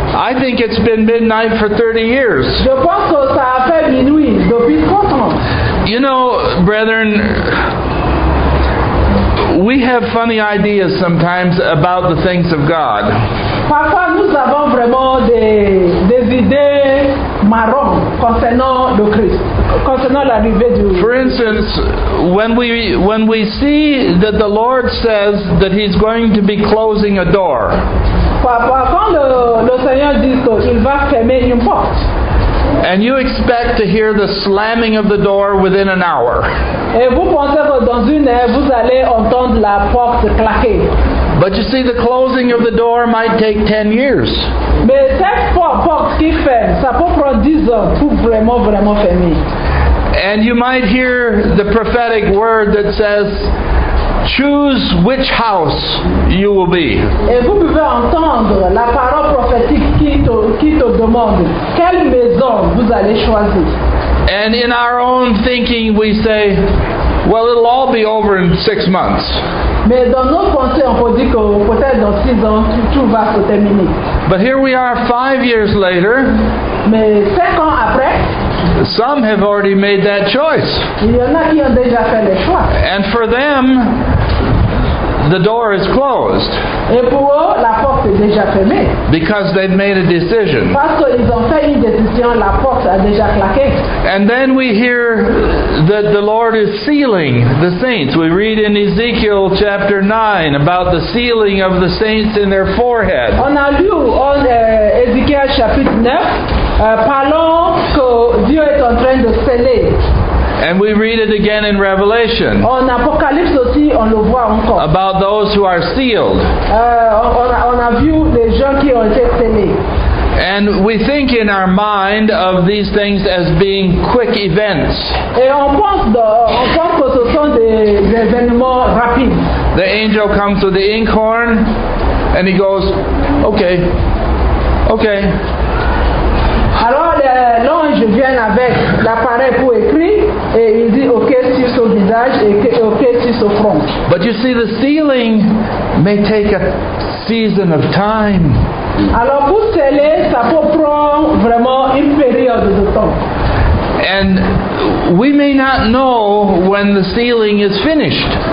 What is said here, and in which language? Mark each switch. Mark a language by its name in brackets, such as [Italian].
[English] I think it's been midnight for 30 years. [French] Je pense que ça a fait minuit depuis 30 ans. [English] You know, brethren, we have funny ideas sometimes about the things of God. [French] Parfois, nous avons vraiment des idées marrons concernant le Christ, concernant l'arrivée du Christ. [English] For instance, when we see that the Lord says that he's going to be closing a door. [French] Parfois, quand le Seigneur dit qu'il va fermer une porte. [English] And you expect to hear the slamming of the door within an hour. [French] Et vous pensez que dans une heure, vous allez entendre la porte claquer. [English] But you see, the closing of the door might take 10 years. [French] Mais cette porte qui ferme, ça peut prendre 10 ans pour vraiment, vraiment fermer. [English] And you might hear the prophetic word that says, choose which house you will be. [French] Et vous pouvez entendre la parole prophétique qui te demande quelle maison vous allez choisir. [English] And in our own thinking we say, well, it'll all be over in 6 months. [French] Mais dans nos pensées, on peut dire que peut-être dans 6 ans, tout va se terminer. [English] But here we are 5 years later. [French] Mais 5 ans après, [English] some have already made that choice. [French] Il y en a qui ont déjà fait le choix. [English] And for them, the door is closed. [French] Et pour eux, la porte est déjà fermée. [English] Because they've made a decision. [French] Parce qu'ils ont fait une Philistin, la porte a déjà claqué. [English] And then we hear that the Lord is sealing the saints. We read in Ezekiel chapter 9 about the sealing of the saints in their forehead. [French] On a lu en Ezekiel chapitre 9, parlant que Dieu est en train de sceller. [English] And we read it again in Revelation. [French] En Apocalypse aussi, on le voit encore. [English] About those who are sealed. [French] On a vu les gens qui ont été scellés. [English] And we think in our mind of these things as being quick events. [French] Et on pense que ce sont des événements rapides. [English] The angel comes with the inkhorn and he goes, okay, okay. [French] Alors l'ange vient avec l'appareil pour écrire et il dit ok sur son visage et ok sur son front. [English] But you see, the sealing may take a season of time. [French] Alors pour sceller, ça peut prendre vraiment une période de temps. [English] And we may not know when the sealing is finished.